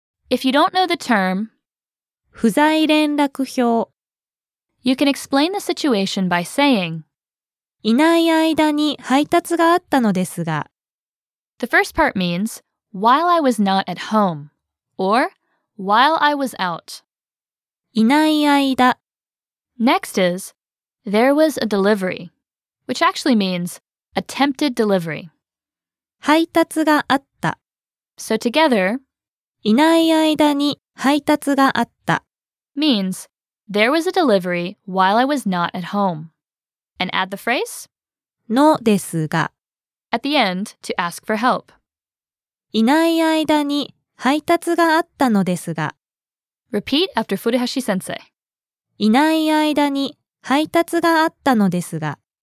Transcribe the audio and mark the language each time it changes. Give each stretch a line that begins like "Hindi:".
English: If you don't know the term,
Japanese: 不在連絡表
English: you can explain the situation by saying,
Japanese: いない間に配達があったのですが
English: The first part means, while I was not at home, or while I was out.
Japanese: いない間
English: Next is, there was a delivery, which actually means attempted delivery.
Japanese: 配達があった
English: So together,
Japanese: いない間に配達があった
English: means there was a delivery while I was not at home. And add the phrase
Japanese: のですが
English: at the end to ask for help.
Japanese: いない間に配達があったのですが。
English: Repeat after Furuhashi Sensei.
Japanese: いない間に配達があったのですが。